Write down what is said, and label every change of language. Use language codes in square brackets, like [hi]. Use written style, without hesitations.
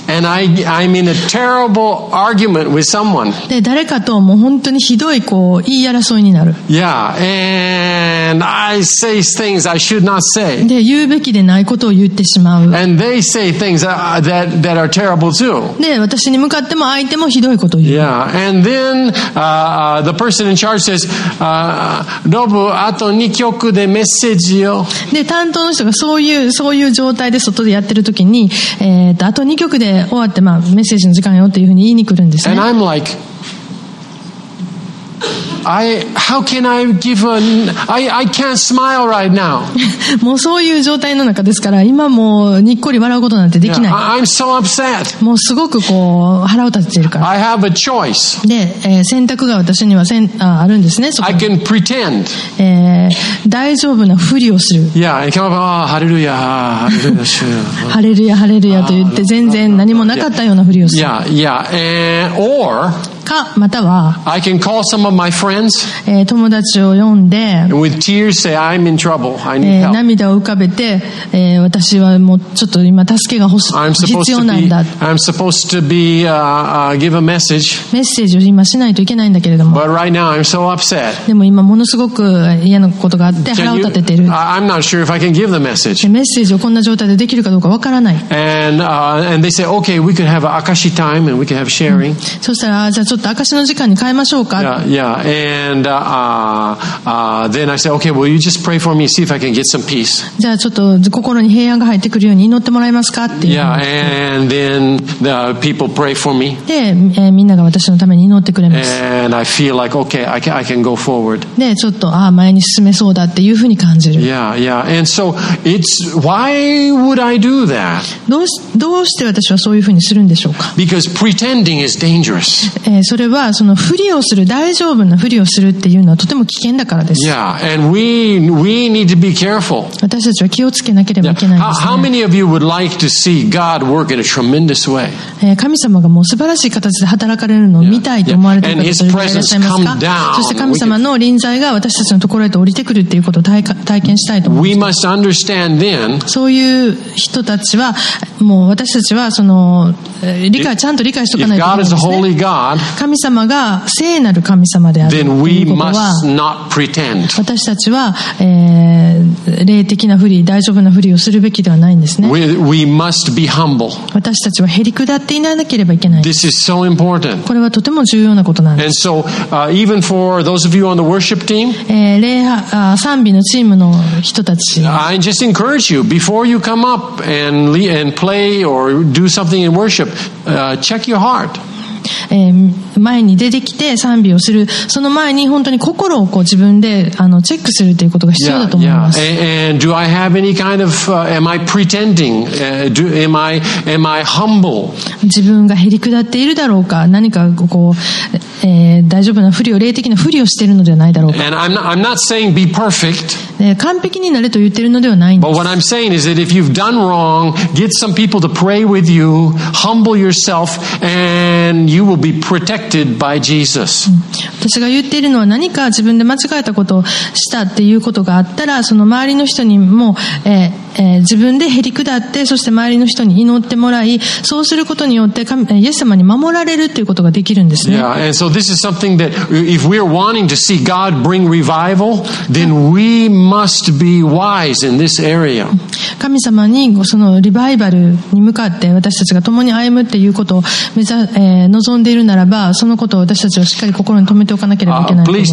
[en] And I'm in a terrible argument with someone. [ja] で、誰かともう本当にひどいこう言い争いになる。 [en] Yeah, and I say things I should not say. [ja] で、言うべきでないことを言ってしまう。 [en] And they say things that are terrible too. [ja] で、私に向かっても相手もひどいことを言う。 [en] Yeah, andThen the person in charge says, "Nobu, [ja] あと2曲でメッセージを。で、担当の人がそういう状態で外でやってる時に、あと2曲で終わって、まあ、メッセージの時間よっていうふうに言いに来るんですね。 [en] And I'm like, how can I give a? I can't smile right now. [ja] もうそういう状態の中ですから、今もうにっこり笑うことなんてできない。 [en] Yeah, I'm so upset. [ja] もうすごくこう腹を立てているから。 [en] I have a choice. [ja] で、選択が私にはあるんですね。そこ。 [en] I can pretend. [ja] 大丈夫なふりをする。 [en] Yeah, I can say, ah, hallelujah, hallelujah, [ja] hallelujah, hallelujah と言って全然何もなかったようなふりをする。 [en] Yeah, yeah, or. [ja] かまたは [en] I can call some of my friends, [ja] 友達を呼んで [en] with tears say, I'm in trouble. I need help. [ja] 涙を浮かべて、私はもうちょっと今助けが必要なんだ [en] I'm supposed to be, give a message. [ja] メッセージを今しないといけないんだけれども [en] But right now, I'm so upset. [ja] でも今ものすごく嫌なことがあって腹を立ててる [en] I'm not sure if I can give the message. [ja] メッセージをこんな状態でできるかどうかわからない [en] and they say, okay, we could have an Akashi time and we could have sharing. [ja] そしたらちょっと証の時間に変えましょうか。 [en] Then I said, okay, will you just pray for me, see if I can get some peace? [ja] じゃあちょっと心に平安が入ってくるように祈ってもらえますかっていう。 [en] Yeah, and then the people pray for me. [ja] で、みんなが私のために祈ってくれます。 [en] And I feel like, okay, I can go forward. [ja] で、ちょっと前に進めそうだっていうふうに感じる。 [en] And so it's why would I do that? [ja] どうして私はそういうふうにするんでしょうか。 [en] Because pretending is dangerous. [ja] それはそのふりをする大丈夫なふりをするっていうのはとても危険だからです。 [en] Yeah, and we need to be careful. [ja] 私たちは気をつけなければいけないですね。 [en] How many of you would like to see God work in a tremendous way? [ja] 神様がもう素晴らしい形で働かれるのを見たいと思われている方がいらっしゃいますか。そして神様の臨在が私たちのところへと降りてくるっていうことを体験したいと思います。 [en] We must understand then. [ja] そういう人たちはもう私たちはその理解ちゃんと理解しておかないといけないですね。 [en] If God is a holy God. [ja] 神様が聖なる神様であるということは私たちは、霊的なふり大丈夫なふりをするべきではないんですね [en] we must be humble. [ja] 私たちはへりくだっていなければいけない [en] This is so important. [ja] これはとても重要なことなんです [en] And so, even for those of you on the worship team, [ja] 賛美のチームの人たち [en] I just encourage you before you come up and play or do something in worship, check your heart [ja] 前に出てきて賛美をするその前に本当に心をこう自分でチェックするということが必要だと思います [en] And do I have any kind of am I pretending am I humble [ja] 自分がへりくだっているだろうか何かこう大丈夫なふりを霊的なふりをしているのではないだろうか [en] And I'm not saying be perfect [ja] 完璧になれと言っているのではないんです [en] But what I'm saying is that if you've done wrong get some people to pray with you humble yourself andYou will be protected by Jesus. [ja] 私が言っているのは何か自分で間違えたことをしたっていうことがあったらその周りの人にも、自分でへりくだってそして周りの人に祈ってもらいそうすることによってイエス様に守られるということができるんですね [en] Yeah, and so this is something that if we are wanting to see God bring revival then we must be wise in this area [ja] 神様にそのリバイバルに向かって私たちが共に歩むっていうことを目指す望んでいるならばそのことを私たちはしっかり心に留めておかなければいけないと思います